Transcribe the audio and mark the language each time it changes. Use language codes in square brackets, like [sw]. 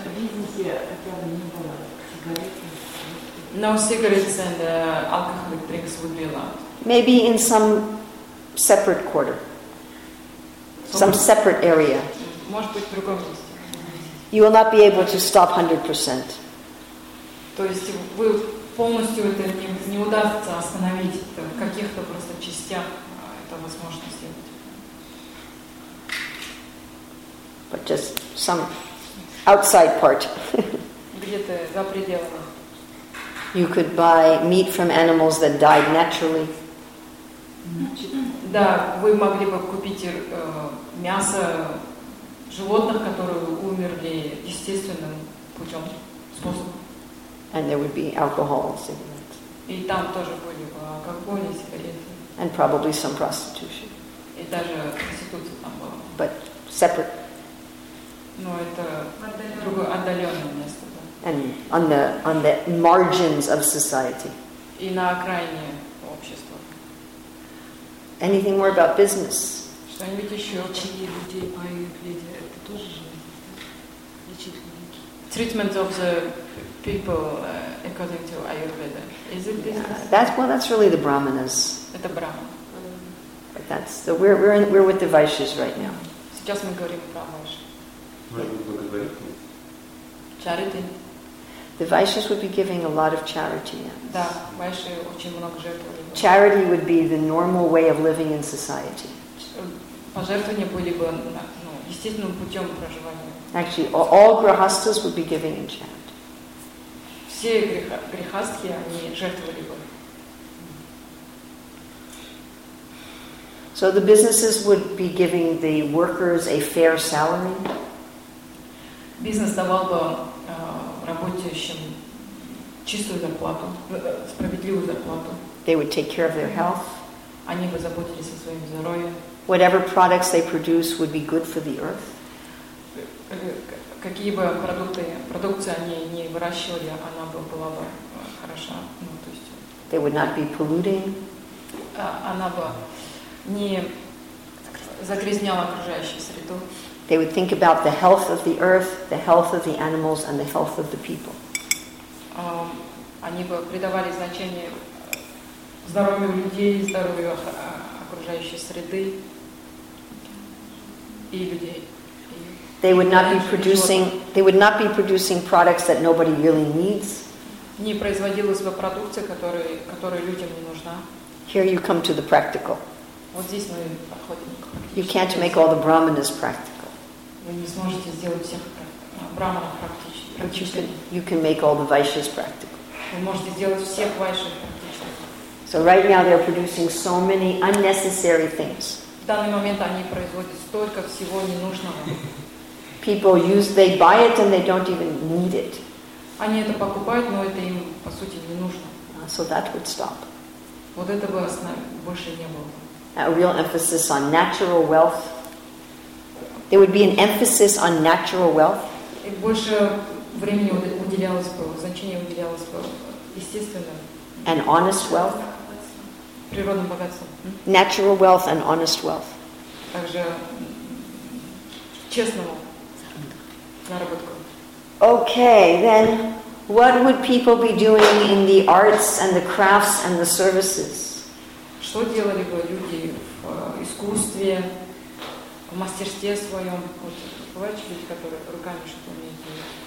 [ru] В бизнесе хотя бы не было сигарет. [en] No cigarettes and alcoholic drinks would be allowed. Maybe in some separate quarter. Some separate area. [ru] Может быть, в другом месте. [en] You will not be able to stop 100%. [ru] То есть вы полностью это не удастся остановить это, в каких-то просто частях это возможно сделать. [en] But just some outside part. [ru] Где-то за пределами. [en] You could buy meat from animals that died naturally. [ru] Да, вы могли бы купить мясо животных, которые умерли естественным путем, способом. [en] And there would be alcohol and cigarettes. [ru] И там тоже были алкоголь и сигареты. [en] And probably some prostitution. [ru] И даже проституция там была. [en] But separate. [ru] Но это другое отдаленное место, да. [en] And on the margins of society. [ru] И на окраине общества. [en] Anything more about business? [ru] Что-нибудь еще? Лечение людей по Евклиде, это тоже же лечить людей. [en] Treatment of the people according to Ayurveda. Is it business? Yeah, that's really the brahmanas. [ru] Это брахман. [en] But that's so we're with the vaishyas right now. [ru] Сейчас мы говорим про вайши. [en] Charity. The vaishyas would be giving a lot of charity. Yes. [ru] Да, вайши очень много жертвуют. [en] Charity would be the normal way of living in society. [ru] Пожертвования были бы естественным путем проживания. [en] Actually, all grihasthas would be giving in chant. [ru] Все грихастхи, они жертвовали бы. [en] So the businesses would be giving the workers a fair salary. [ru] Бизнес давал бы работающим чистую зарплату, справедливую зарплату. [en] They would take care of their health. Они бы заботились о своем здоровье. Whatever products they produce would be good for the earth. [ru] Какие бы продукции они не выращивали, она бы была бы хороша. Ну, то есть, [en] they would not be polluting. [ru] Она бы не загрязняла окружающую среду. [en] They would think about the health of the earth, the health of the animals, and the health of the people. [ru] Они бы придавали значение здоровью людей, здоровью окружающей среды и людей. [en] They would not be producing. They would not be producing products that nobody really needs. [ru] Не производилась бы продукция, которая людям не нужна. [en] Here you come to the practical. [ru] Вот здесь мы проходим. [en] You can't make all the brahmanas practical. [ru] Вы не сможете сделать всех брахманов практичными. [en] But you can make all the vaishyas practical. [ru] Вы можете сделать всех вайши практичными. [en] So right now they're producing so many unnecessary things. [ru] В данный момент они производят столько всего ненужного. [en] People use, they buy it and they don't even need it. [ru] Они это покупают, но это им по сути не нужно. [en] So that would stop. [ru] Вот это бы больше не было. [en] A real emphasis on natural wealth. There would be an emphasis on natural wealth. [ru] И больше времени уделялось бы, значение уделялось бы естественным. [en] And honest wealth. [ru] Природным богатством. [en] Natural wealth and honest wealth. [ru] Также честному заработку. [en] Okay, then what would people be doing in the arts and the crafts and the services? [ru] Что делали бы люди в искусстве, в мастерстве своем? Вот, бывают же люди, которые руками что-то умеют делать?